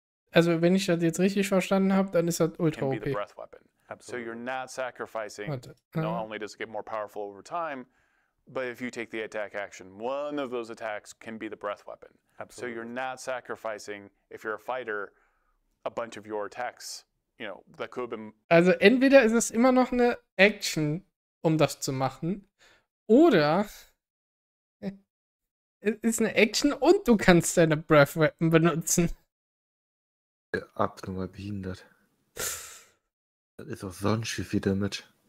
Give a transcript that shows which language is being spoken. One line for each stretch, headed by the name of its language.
German: Also, wenn ich das jetzt richtig verstanden habe, dann ist das ultra OP.
English: So you're not sacrificing. Not only does it get more powerful over time, but if you take the attack action, one of those attacks can be the breath weapon. Absolutely. So you're not sacrificing, if you're a fighter, a bunch of your attacks, you know, that could have been...
German: Also entweder ist es immer noch eine Action, um das zu machen, oder es ist eine Action und du kannst deine Breath Weapon benutzen. Ja, abnormal behindert. Das ist auch sonst wie viel Damage.